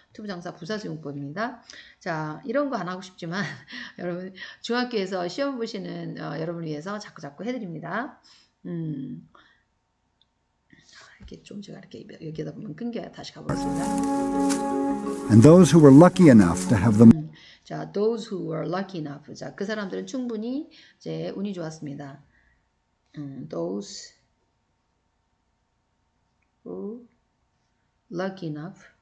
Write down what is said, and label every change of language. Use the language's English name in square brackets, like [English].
[Korean] to 부정사 부사적 용법입니다. 자, 이런 거 안 하고 싶지만 여러분 중학교에서 시험 보시는 여러분을 위해서 자꾸 해드립니다. 이렇게 좀 제가 이렇게 여기다 보면 끊겨요. 다시 가보겠습니다. [English] And those who were lucky enough to have them. 자, those who were lucky enough. [Korean] 자, 그 사람들은 충분히 이제 운이 좋았습니다. [English] Those who lucky enough.